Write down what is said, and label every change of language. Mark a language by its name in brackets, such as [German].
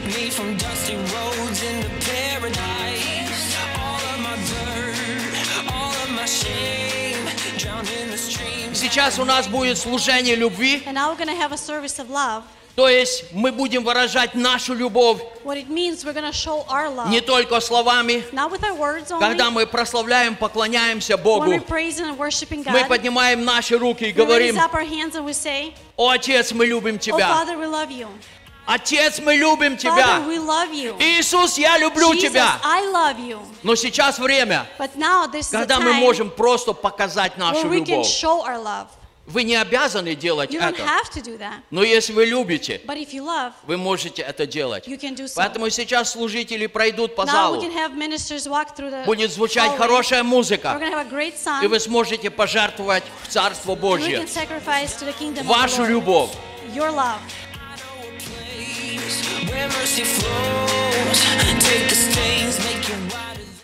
[English] From dusty roads into paradise, all of my dirt, all of my shame, drowned in the stream. [Russian] Сейчас у нас будет служение любви. [English] And now we're going to have a service of love. [Russian] То есть мы будем выражать нашу любовь. [English] What it means, we're going to show our love. [Russian] Не только словами. [English] Not with our words only. [Russian] Когда мы прославляем, поклоняемся Богу. [English] When we're praising and worshiping God. [Russian] Мы поднимаем наши руки и говорим. [English] We raise up our hands and we say. [Russian] О, Отец, мы любим тебя. [English] Oh Father, we love you. [Russian] Отец, мы любим тебя. [English] Father, we love you. [Russian] Иисус, я люблю [English] Jesus, [Russian] тебя. [English] I love you. [Russian] Но сейчас время, [English] now, [Russian] когда мы можем просто показать нашу [English] where [Russian] любовь. [English] We can show our love. [Russian] Вы не обязаны делать [English] you don't [Russian] это. [English] Have to do that. [Russian] Но если вы любите, [English] but if you love, [Russian] вы можете это делать. [English] You can do so. [Russian] Поэтому сейчас служители пройдут по [English] now [Russian] залу. [English] We can have ministers walk through the [Russian] будет звучать [English] hallway. [Russian] Хорошая музыка. [English] We're gonna have a great song. [Russian] И вы сможете пожертвовать в Царство Божье. [English] We can sacrifice to the kingdom [Russian] вашу [English] of the [Russian] любовь. [English] Your love. Where mercy flows, take the stains, make you white.